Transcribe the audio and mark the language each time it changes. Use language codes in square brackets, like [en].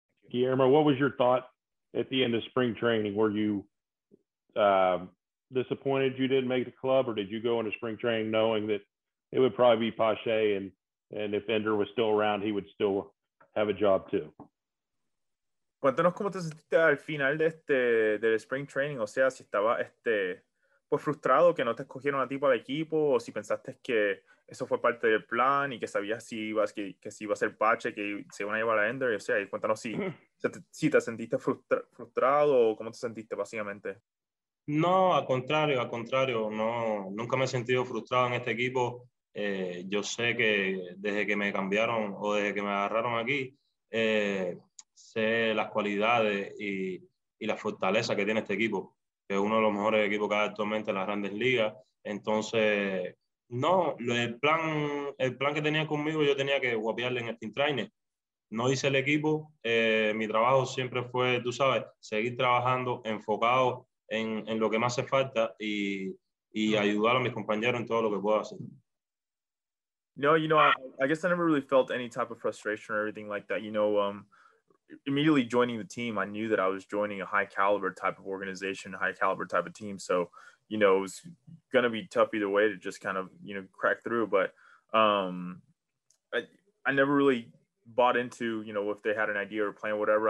[en] Guillermo, what was your thought at the end of spring training? Were you disappointed you didn't make the club, or did you go into spring training knowing that it would probably be Pache and if Ender was still around, he would still have a job too? [es] Cuéntanos cómo te sentiste al final de del spring training. O sea, si estaba pues frustrado que no te escogieron a ti para el equipo, o si pensaste que eso fue parte del plan y que sabías si ibas que si iba a ser Pache, que se iban a llevar a Ender. O sea, y cuéntanos si te sentiste frustrado o cómo te sentiste básicamente. No, al contrario, no, nunca me he sentido frustrado en este equipo. Yo sé que desde que me cambiaron o desde que me agarraron aquí, sé las cualidades y la fortaleza que tiene este equipo, que es uno de los mejores equipos que hay actualmente en las grandes ligas. Entonces, no, el plan que tenía conmigo, yo tenía que guapiarle en el team trainer. No hice el equipo, mi trabajo siempre fue, tú sabes, seguir trabajando, enfocado en lo que me hace falta y ayudar a mis compañeros en todo lo que puedo hacer. [en] No, you know, I guess I never really felt any type of frustration or everything like that. You know, immediately joining the team, I knew that I was joining a high caliber type of organization, high caliber type of team. So, you know, it was going to be tough either way to just kind of, you know, crack through. But I never really bought into, you know, if they had an idea or plan, whatever.